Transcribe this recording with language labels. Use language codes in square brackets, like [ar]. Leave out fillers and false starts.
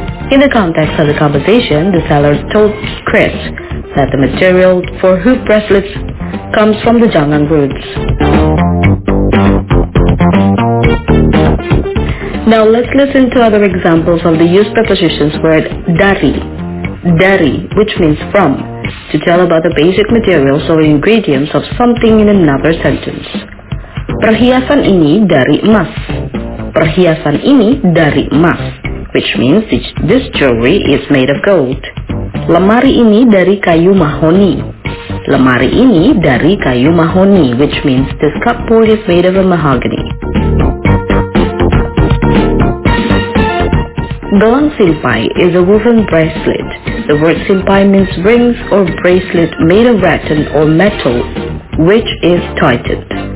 [en] In the context of the conversation, the seller told Chris that the material for hoop bracelets comes from the jangang roots. Now let's listen to other examples of the used prepositions word dari. Dari, which means from, to tell about the basic materials or ingredients of something in another sentence. [id] Perhiasan ini dari emas. Perhiasan ini dari emas, [en] which means this jewelry is made of gold. [id] Lemari ini dari kayu mahoni. Lemari ini dari kayu mahoni, [en] which means this cupboard is made of a mahogany. Gelang simpai is a woven bracelet. The word simpai means rings or bracelet made of rattan or metal, which is tightened.